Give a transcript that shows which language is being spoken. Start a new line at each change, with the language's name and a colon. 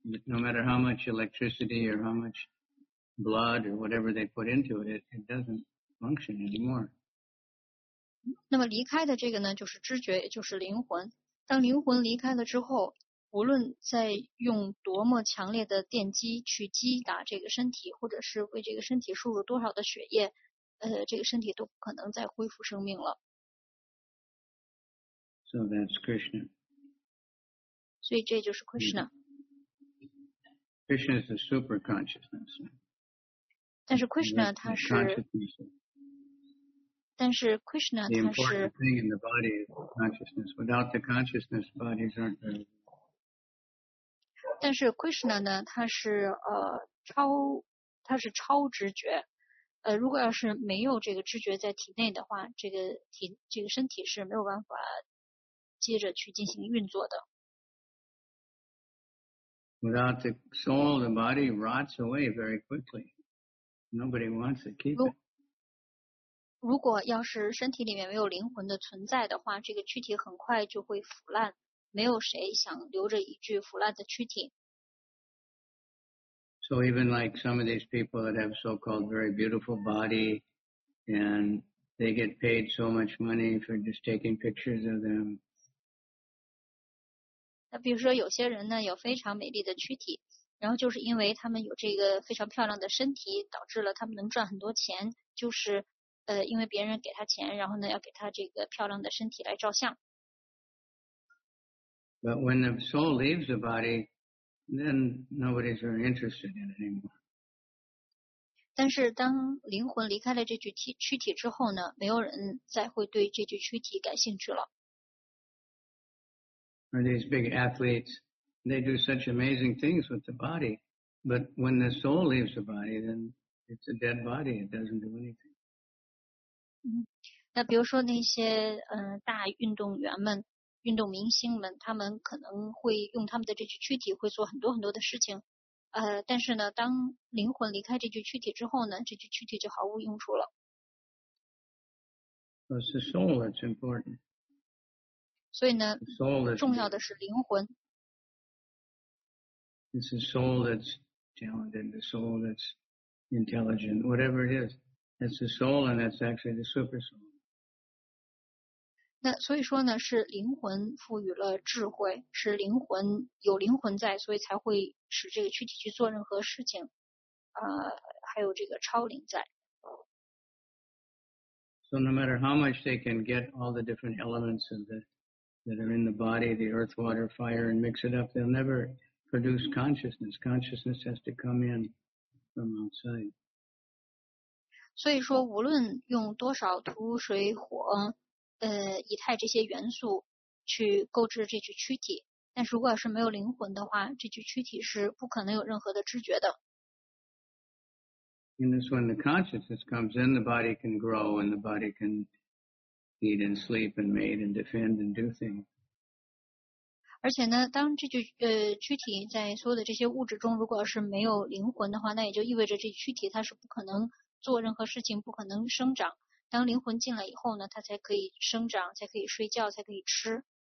English: No matter how much electricity or how much blood or whatever they put into it, it doesn't function anymore.
Chinese: 那么离开的这个呢，就是知觉，也就是灵魂。当灵魂离开了之后，无论再用多么强烈的电击去击打这个身体，或者是为这个身体输入多少的血液，这个身体都不可能再恢复生命了。
English: So that's Krishna.
Chinese: 所以这就是 Krishna.
English: Krishna is the super consciousness.
Chinese: 但是 Krishna 他是，但是 Krishna 他是。
English: The important thing in the body is consciousness. Without the consciousness, bodies aren't there.
Chinese: 但是 Krishna 呢，他是超直觉。如果要是没有这个知觉在体内的话，这个身体是没有办法接着去进行运作的。
English: Without the soul, the body rots away very quickly. Nobody wants to keep it.
Chinese: 如果要是身体里面没有灵魂的存在的话，这个躯体很快就会腐烂，没有谁想留着一具腐烂的躯体。
English: So even like some of these people that have so-called very beautiful body, and they get paid so much money for just taking pictures of them,
Chinese: 那比如说有些人呢有非常美丽的躯体，然后就是因为他们有这个非常漂亮的身体，导致了他们能赚很多钱，就是因为别人给他钱，然后呢要给他这个漂亮的身体来照相。
English: But when the soul leaves the body, then nobody's very interested in it anymore.
Chinese: 但是当灵魂离开了这具躯体之后呢，没有人再会对这具躯体感兴趣了。
English: Or these big athletes, they do such amazing things with the body. But when the soul leaves the body, then it's a dead body. It doesn't do anything.
Chinese: 那比如说那些大运动员们，运动明星们，他们可能会用他们的这具躯体会做很多很多的事情，但是呢，当灵魂离开这具躯体之后呢，这具躯体就毫无用处了。
English: It's the soul that's important.
Chinese: 所以呢，重要的是灵魂。
English: It's the soul that's talented, the soul that's intelligent, whatever it is. It's the soul, and that's actually the super soul.
Chinese: 那所以说呢，是灵魂赋予了智慧，是灵魂有灵魂在，所以才会使这个躯体去做任何事情，还有这个超灵在。
English: So no matter how much they can get all the different elements of the, that are in the body, the earth, water, fire, and mix it up, they'll never produce consciousness. Consciousness has to come in from outside.
Chinese: 所以说无论用多少土水火以太这些元素去构置这具躯体，但是如果是没有灵魂的话，这具躯体是不可能有任何的知觉的。
English: And this, when the consciousness comes in, the body can grow, and the body can eat and sleep and mate and defend and do things.
Chinese: 而且呢，当这具躯体在所有的这些物质中，如果是没有灵魂的话，那也就意味着这躯体它是不可能做任何事情，不可能生长。当灵魂进来以后呢，它才可以生长，才可以睡觉，才可以吃。